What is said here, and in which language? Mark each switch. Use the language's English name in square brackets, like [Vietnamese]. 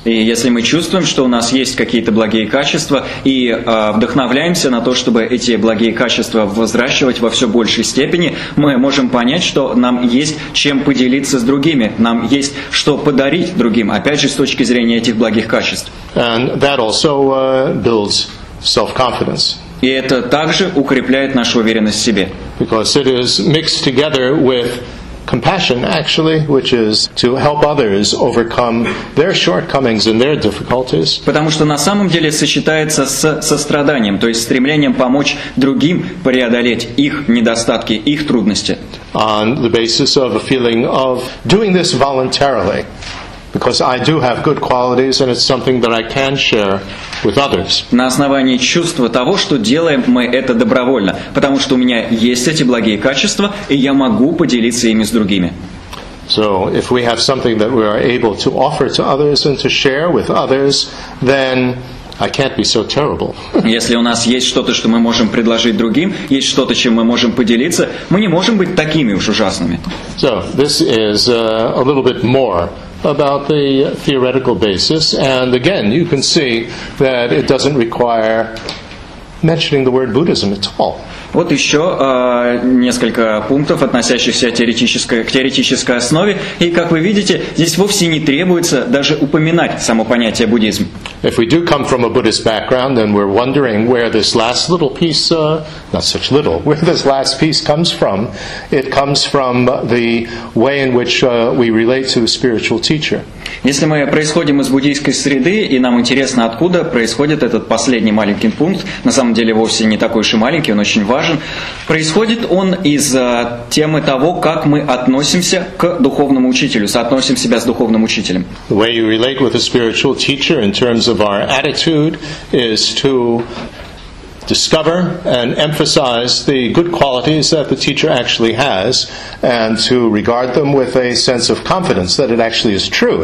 [Russian] И если мы чувствуем, что у нас есть какие-то благие качества, и вдохновляемся на то, чтобы эти благие качества взращивать во все большей степени, мы можем понять, что нам есть чем поделиться с другими, нам есть что подарить другим, опять же, с точки зрения этих благих качеств. [English] And that also builds self-confidence. [Russian] И это также укрепляет нашу уверенность в себе. [English] Because it is mixed together with compassion, actually, which is to help others overcome their shortcomings and their difficulties. [Russian] Потому что на самом деле сочетается с состраданием, то есть стремлением помочь другим преодолеть их недостатки, их трудности. [English] On the basis of a feeling of doing this voluntarily. Because I do have good qualities, and it's something that I can share with others. [Russian] На основании чувства того, что делаем мы это добровольно, потому что у меня есть эти благие качества, и я могу поделиться ими с другими. [English] So, if we have something that we are able to offer to others and to share with others, then I can't be so terrible. [Russian] Если у нас есть что-то, что мы можем предложить другим, есть что-то, чем мы можем поделиться, мы не можем быть такими уж ужасными. [English] So, this is a little bit more about the theoretical basis, and again, you can see that it doesn't require mentioning the word Buddhism at all. [Russian] Вот еще несколько пунктов, относящихся к теоретической основе, и как вы видите, здесь вовсе не требуется даже упоминать само понятие буддизм. [English] If we do come from a Buddhist background, then we're wondering where this last little piece, not such little, where this last piece comes from. It comes from the way in which we relate to a spiritual teacher. [Russian] Если мы происходим из буддийской среды, и нам интересно, откуда происходит этот последний маленький пункт, на самом деле вовсе не такой уж и маленький, он очень важен, происходит он из темы того, как мы относимся к духовному учителю, соотносим себя с духовным учителем. [English] The way you relate with a spiritual teacher in terms of our attitude is to discover and emphasize the good qualities that the teacher actually has and to regard them with a sense of confidence that it actually is true.